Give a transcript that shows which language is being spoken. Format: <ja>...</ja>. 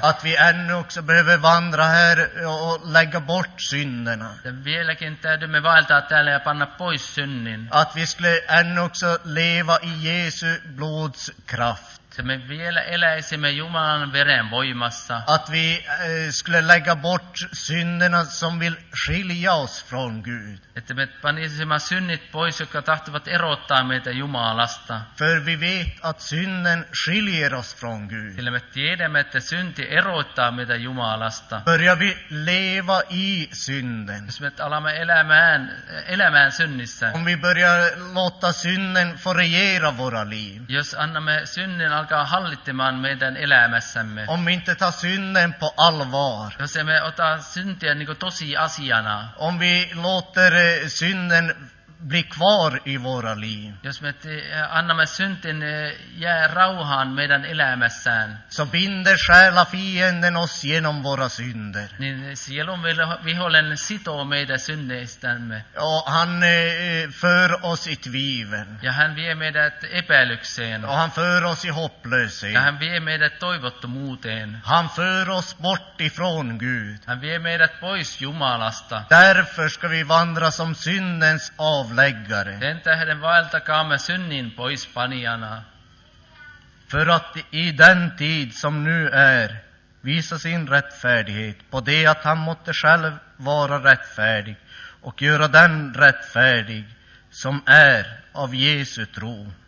<sv>Att vi ännu också behöver vandra här och lägga bort synderna.</sv> <fi>Ja vieläkin täydymme vaeltaa täällä ja panna pois synnin.</fi> <sv>Att vi skulle ännu också leva i Jeesu blods kraft.</sv> <fi>Me vielä eläisimme Jumalan veren voimassa.</fi> <sv>Att vi skulle lägga bort synderna som vill skilja oss från Gud.</sv> <fi>Että me panisimme synnit pois, jotka tahtovat erottaa meitä Jumalasta.</fi> <sv>För vi vet att synden skiljer oss från Gud.</sv> <fi>Sillä me tiedämme, että synti erottaa meitä Jumalasta.</fi> <sv>Börjar vi leva i synden.</sv> <fi>Jos me alamme elämään synnissä.</fi> <sv>Om vi börjar låta synden få regera våra liv.</sv> <fi>Jos annamme synnin alkaa hallittamaan meidän elämässämme.</fi> <sv>Om vi inte tar synden på allvar.</sv> <fi>Jos emme ota syntiä niin kuin tosi asiana.</fi> <sv>Om vi låter synden bli kvar i våra liv.</sv> <fi>Jos me annamme syntin jää rauhaan meidän elämässään.</fi> <sv>Så binder själa fienden oss genom våra synder.</sv> <fi>Niin sielun vihollinen sitoo meidän synneistämme.</fi> <sv>Och han för oss i tvivel.</sv> <fi>Ja hän vie meidät epäilykseen.</fi> <sv>Och han för oss i hopplöshet.</sv> <fi>Ja hän vie meidät toivottomuuteen.</fi> <sv>Han för oss bort ifrån Gud.</sv> <fi>Hän vie meidät pois Jumalasta.</fi> <sv>Därför ska vi vandra som syndens av.</sv> <fi>Sen tähden vaeltakaamme synnin pois panijana.</fi> <sv>För att i den tid som nu är visa sin rättfärdighet på det att han måtte själv vara rättfärdig och göra den rättfärdig som är av Jesu tro.</sv>